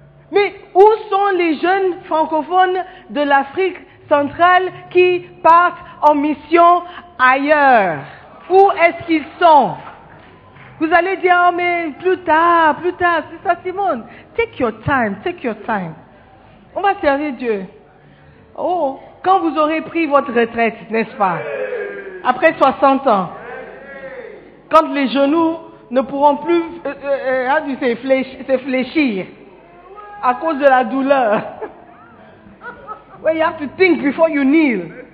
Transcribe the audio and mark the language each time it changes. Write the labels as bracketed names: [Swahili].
[French] Mais où sont les jeunes francophones de l'Afrique centrale qui partent en mission ailleurs? Où est-ce qu'ils sont? Vous allez dire, oh mais plus tard, c'est ça Simone. [English] Take your time, take your time. [French] On va servir Dieu. Oh, quand vous aurez pris votre retraite, n'est-ce pas? Après 60 ans. Quand les genoux ne pourront plus se fléchir à cause de la douleur. [English] Well, you have to think before you kneel.